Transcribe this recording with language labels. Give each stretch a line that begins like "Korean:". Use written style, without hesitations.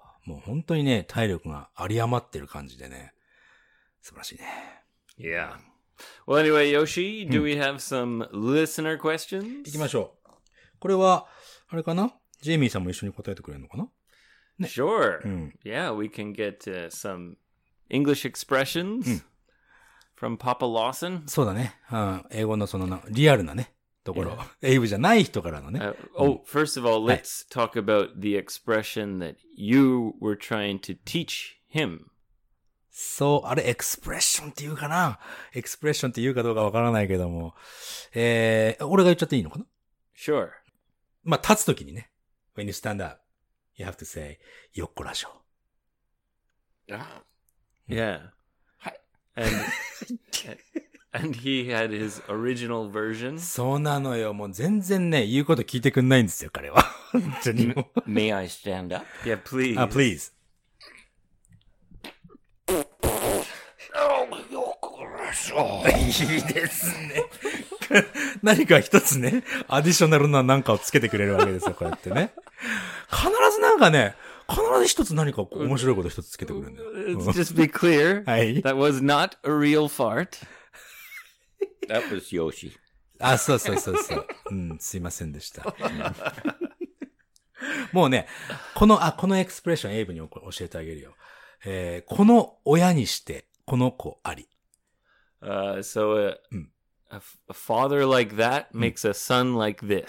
Japanese: もう本当にね、体力が有り余ってる感じでね。素晴らしいね。
English: Yeah. Well, anyway, Yoshi, do we have some listener questions?
Japanese: 行きましょう。これは、あれかな？ジェイミーさんも一緒に答えてくれるのかな？
English: ね、sure.、Yeah, we can get、some English expressions、from Papa Lawson.
Japanese: そうだね。うん、英語のそのリアルなね、ところ。英語じゃない人からのね。
English: First of all, let's talk about the expression that you were trying to teach him.
Japanese: そう、あれ、expression って言うかな ?expression って言うかどうかわからないけども。俺が言っちゃっていいのかな
English: ?Sure.
Japanese: まあ、立つときにね。
English: When you stand up. You have to say,
Japanese: よっこらしょ。
English: Yeah. And he had his original version.
Japanese: そうなのよ。もう全然ね、言うこと聞いてくんないんですよ、彼は。本当に。
English: May I stand up? Yeah, please. Please.
Japanese: よっこらしょ。いいですね。何か一つね、アディショナルな何かをつけてくれるわけですよ、こうやってね。必ずなんかね、必ず一つ何か面白いこと一つつけてくれるんだよ。
English: Just be clear.
Japanese: はい。
English: That was not a real fart. That was Yoshi.
Japanese: あ、そうそうそうそう。うん、すいませんでした。もうね、このエクスプレッションエイブに教えてあげるよ。この親にして、この子あり。
English: So, A father like that makes a son like this.